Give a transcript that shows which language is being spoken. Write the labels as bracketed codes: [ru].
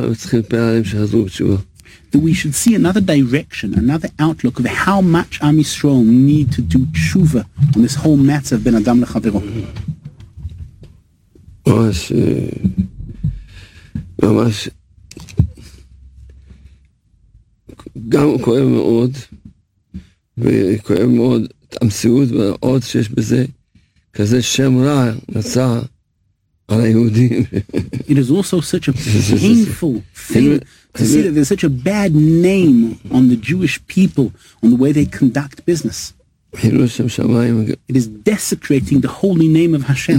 [en] That we should see another direction, another outlook of how much Am Yisrael need to do tshuva on this whole matter of Ben Adam Lechaveron. [he] ממש, ממש, גם כואב מאוד, וכואב מאוד את המציאות, ועוד שיש בזה כזה שם רע נצא על היהודים. [en] It is also such a painful thing to see that there's such a bad name on the Jewish people, on the way they conduct business. It is desecrating the holy name of Hashem.